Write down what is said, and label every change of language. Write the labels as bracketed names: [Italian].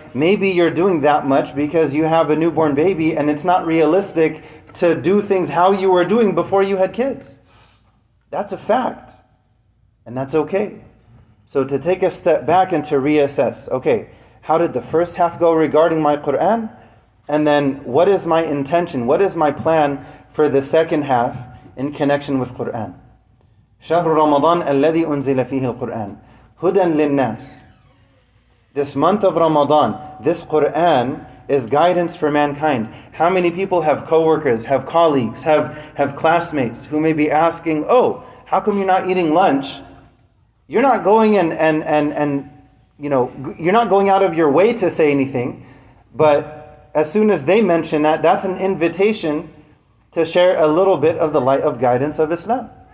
[English] Maybe you're doing that much because you have a newborn baby and it's not realistic to do things how you were doing before you had kids. That's a fact. And that's okay. So to take a step back and to reassess, okay, how did the first half go regarding my Qur'an? And then what is my intention, what is my plan for the second half in connection with Qur'an? [Arabic] شهر رمضان الذي أنزل فيه القرآن هدى للناس. [English] This month of Ramadan, this Qur'an is guidance for mankind. How many people have co-workers, have colleagues, have classmates who may be asking, oh, how come you're not eating lunch? You're not going you're not going out of your way to say anything, but as soon as they mention that, that's an invitation to share a little bit of the light of guidance of Islam.